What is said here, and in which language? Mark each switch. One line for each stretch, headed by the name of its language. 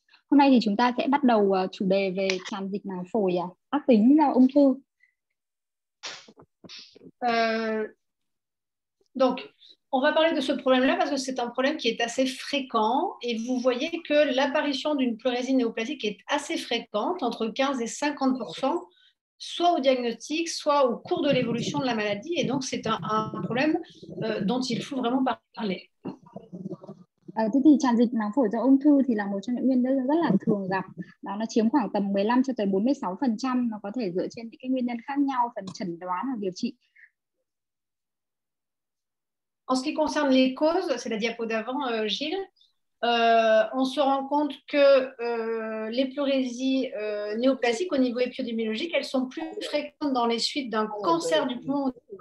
Vietnamese: Hôm nay thì chúng ta sẽ bắt đầu chủ đề về tràn dịch màng phổi ác tính là ung thư.
French: Donc, on va parler de ce problème-là parce que c'est un problème qui est assez fréquent et vous voyez que l'apparition d'une pleurésie néoplasique est assez fréquente, entre 15 et 50%, soit au diagnostic, soit au cours de l'évolution de la maladie. Et donc, c'est un problème dont il faut vraiment parler.
Vietnamese: Thế thì tràn dịch màng phổi do ung thư thì là một trong những nguyên nhân rất là thường gặp. Đó, nó chiếm khoảng tầm 15-46%. Nó có thể dựa trên những cái nguyên nhân khác nhau, phần chẩn đoán và điều trị.
French: En ce qui concerne les causes, c'est la diapo d'avant, Gilles, on se rend compte que les pleurésies néoplasiques au niveau épidémiologique, elles sont plus fréquentes dans les suites d'un cancer du poumon.